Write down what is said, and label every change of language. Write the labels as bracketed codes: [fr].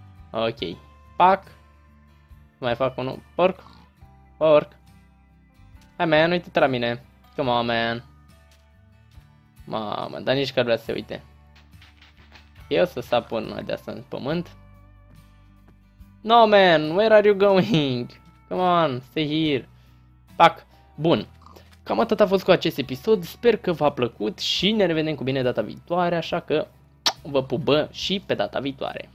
[ro] Ok. Pac. Mai fac unul. Porc. Porc. Hai, man, uite-te la mine. [en] Come on, man. [ro] Mamă, dar nici că ar vrea să se uite. Eu să sap una de asta în pământ. [en] No, man, where are you going? Come on, stay here. Pac. [ro] Bun. Cam atât a fost cu acest episod. Sper că v-a plăcut și ne revedem cu bine data viitoare, așa că vă pupă și pe data viitoare.